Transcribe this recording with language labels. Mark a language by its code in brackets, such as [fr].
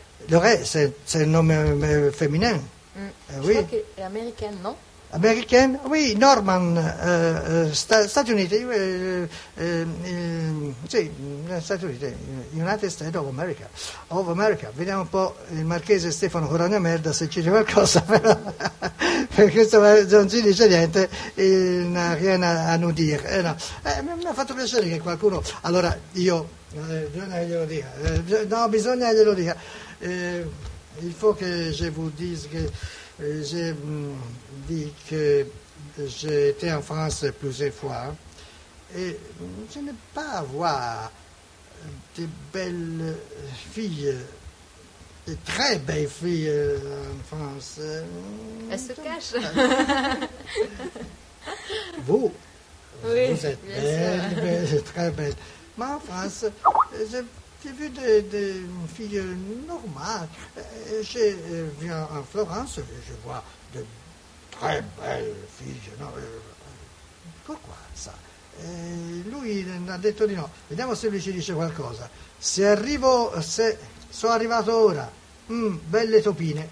[fr] Loret, c'est un nom féminin. Je crois qu'elle est américaine, non? [en] American? [it] Oui, Norman, Stati Uniti, Stati Uniti, [en] United States of America, [it] vediamo un po' il marchese Stefano Corona Merda se ci dice qualcosa, però, questo non ci dice niente, [fr] rien à nous dire, [it] no. Mi ha fatto piacere che qualcuno, allora io, bisogna glielo dire, [fr] il faut que je vous dise que, j'ai dit que j'ai été en France plusieurs fois et je n'ai pas vu de belles filles, de très belles filles en France. Elles se cachent. Vous, oui, vous êtes belles, belles, très belles. Mais en France, j'ai vu des filles normales. Je viens en Florence et je vois de très belles filles. Non, pourquoi ça? Lui a dit de non. [it] Vediamo se lui ci dice qualcosa. Se sono arrivato ora, belle topine.